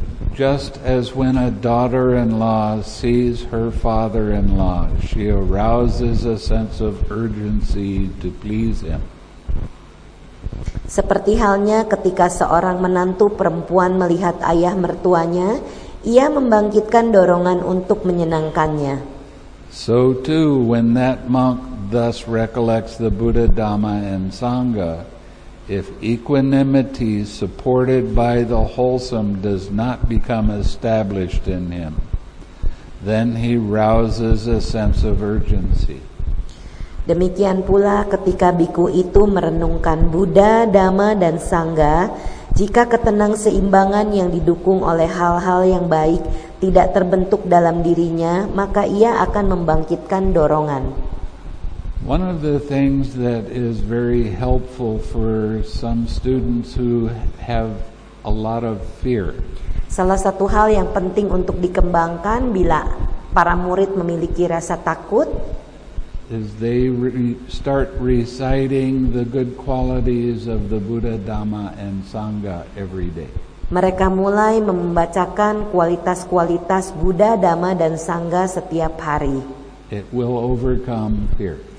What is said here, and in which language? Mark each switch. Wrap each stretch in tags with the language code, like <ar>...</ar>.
<en>Just as when a daughter-in-law sees her father-in-law, she arouses a sense of urgency to please him.</en> <id>Seperti halnya ketika seorang menantu perempuan melihat ayah mertuanya, ia membangkitkan dorongan untuk menyenangkannya.</id> <en>So too, when that monk thus recollects the Buddha, Dhamma, and Sangha, if equanimity supported by the wholesome does not become established in him, then he rouses a sense of urgency.</en> <id>Demikian pula ketika bhikkhu itu merenungkan Buddha, Dhamma, dan Sangha, jika ketenang seimbangan yang didukung oleh hal-hal yang baik tidak terbentuk dalam dirinya, maka ia akan membangkitkan dorongan.</id> <en>One of the things that is very helpful for some students who have a lot of fear.</en> <id>Salah satu hal yang penting untuk dikembangkan bila para murid memiliki rasa takut</id> <en>is they start reciting the good qualities of the Buddha, Dhamma, and Sangha every day.</en> <id>Mereka mulai membacakan kualitas-kualitas Buddha, Dhamma, dan Sangha setiap hari.</id> <en>It will overcome fear.</en>